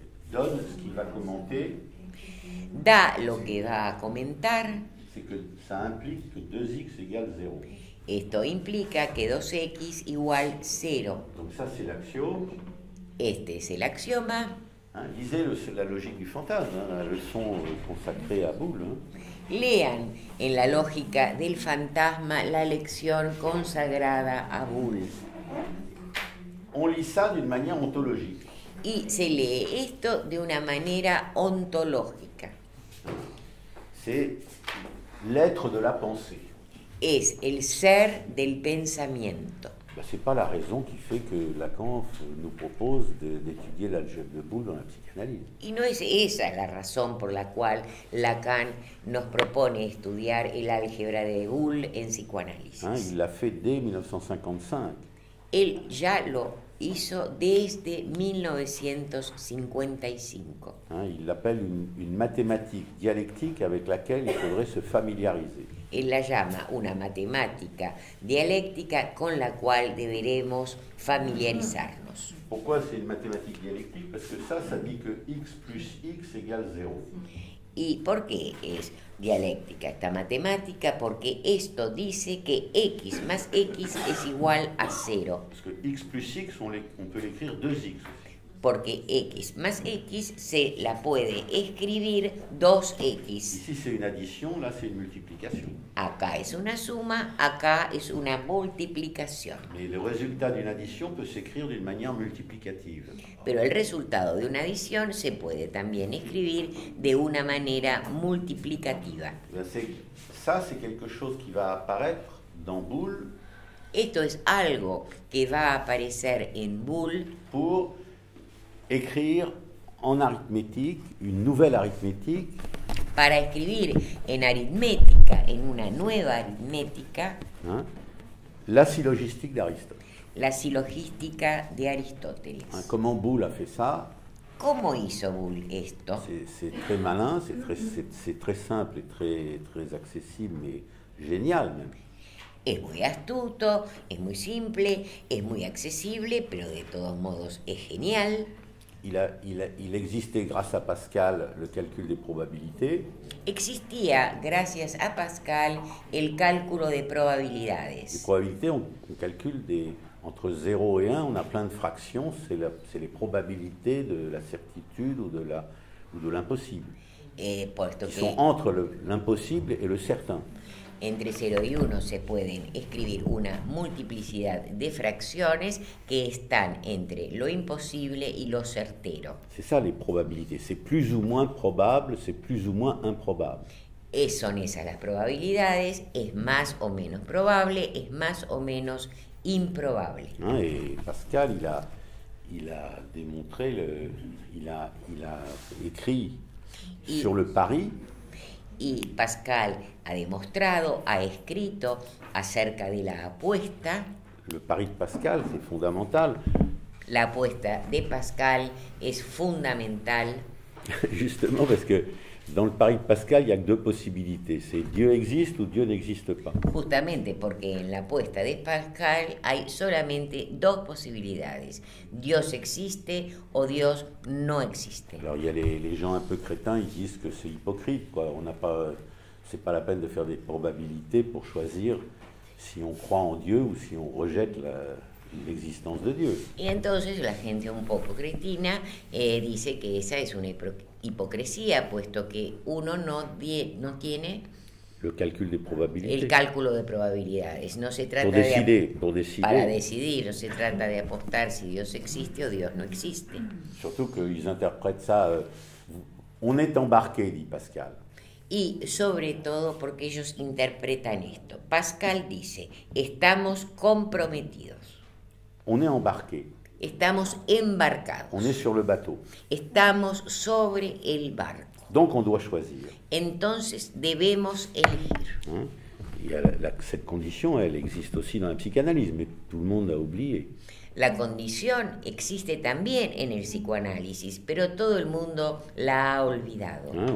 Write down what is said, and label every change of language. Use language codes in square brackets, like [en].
[fr] donne ce qu'il va commenter? [es] Da lo que va a comentar. [fr] C'est que ça implique que 2x égale 0. [es] Esto implica que 2x igual 0. [fr] Donc ça c'est l'axiome. [es] Este es el axioma. [fr] Hein, lisez la logique du fantasme, hein, la leçon consacrée à Boulle. Hein. [es] Lean en la lógica del fantasma la lección consagrada a Boulle. [fr] On lit ça d'une manière ontologique. [es] Y se lee esto de una manera ontológica. [fr] C'est l'être de la pensée. [es] Es el ser del pensamiento. [fr] Ben, c'est pas la raison qui fait que Lacan nous propose d'étudier l'algèbre de Boulle dans la psychanalyse. [es] Y no es esa la razón por la cual Lacan nos propone estudiar el álgebra de Boulle en psicoanálisis. [fr] Hein, il l'a fait dès 1955. [es] Él ya lo hizo desde 1955. [fr] Hein, il l'appelle une mathématique dialectique avec laquelle il faudrait se familiariser. [es] Él la llama una matemática dialéctica con la cual deberemos familiarizarnos. ¿Por qué es una matemática dialéctica? Porque eso dice que x plus x igual 0. ¿Y por qué es dialéctica esta matemática? Porque esto dice que x más x es igual a 0. [fr] Porque x plus x, on peut l'écrire 2x. [es] Porque x más x se la puede escribir 2x. [fr] Ici c'est une addition, là c'est une multiplication. [es] Acá es una suma, acá es una multiplicación. [fr] Mais le résultat d'une addition peut s'écrire d'une manière multiplicative. [es] Pero el resultado de una adición se puede también escribir de una manera multiplicativa. [fr] Ça c'est quelque chose qui va apparaître dans Boole. [es] Esto es algo que va a aparecer en Boole. [fr] Pour écrire en arithmétique une nouvelle arithmétique. [es] Para escribir en aritmética, en una nueva aritmética. Hein? [fr] La syllogistique d'Aristote. [es] La syllogística de Aristóteles. [fr] Hein? Comment Boole a fait ça? [es] ¿Cómo hizo Boole esto? [fr] C'est très malin, c'est très simple et très très accessible, mais génial même. [es] Es muy astuto, es muy simple, es muy accesible, pero de todos modos es genial. [fr] Il existait grâce à Pascal le calcul des probabilités. [es] Existía gracias a Pascal el cálculo de probabilidades. [fr] Les probabilités, on calcule des entre 0 et 1, on a plein de fractions, c'est les probabilités de la certitude ou de l'impossible. Qui sont entre l'impossible et le certain. [es] Entre 0 y 1 se pueden escribir una multiplicidad de fracciones que están entre lo imposible y lo certero. [fr] C'est ça les probabilités, c'est plus ou moins probable, c'est plus ou moins improbable. [es] Son esas las probabilidades, es más o menos probable, es más o menos improbable. [fr] Ah, et Pascal il a démontré le il a écrit sur le pari. [es] Y Pascal ha demostrado, ha escrito acerca de la apuesta. [fr] Le pari de Pascal, c'est fondamental. [es] La apuesta de Pascal es fundamental. [fr] Justement parce que dans le pari de Pascal, il y a que deux possibilités, c'est Dieu existe ou Dieu n'existe pas. [es] Justamente porque en la apuesta de Pascal hay solamente dos posibilidades, Dios existe o Dios no existe. [fr] Alors il y a les gens un peu crétins, ils disent que c'est hypocrite quoi, on n'a pas c'est pas la peine de faire des probabilités pour choisir si on croit en Dieu ou si on rejette la l'existence de Dieu. [es] Y entonces la gente un poco cretina dice que esa es una hipocresía, puesto que uno no tiene [fr] le calcul des probabilités. [es] El cálculo de probabilidades. No se trata [fr] pour décider. [es] Para decidir, no se trata de apostar si Dios existe o Dios no existe. [fr] Surtout qu'ils interprètent ça, on est embarqué, dit Pascal. [es] Y sobre todo porque ellos interpretan esto. Pascal dice, estamos comprometidos. [fr] On est embarqué. [es] Estamos embarcados. [fr] On est sur le bateau. [es] Estamos sobre el barco. [fr] Donc on doit choisir. [es] Entonces debemos elegir. Hein? [fr] Cette condition, elle existe aussi dans la psychanalyse, mais tout le monde a oublié. [es] La condición existe también en el psicoanálisis, pero todo el mundo la ha olvidado.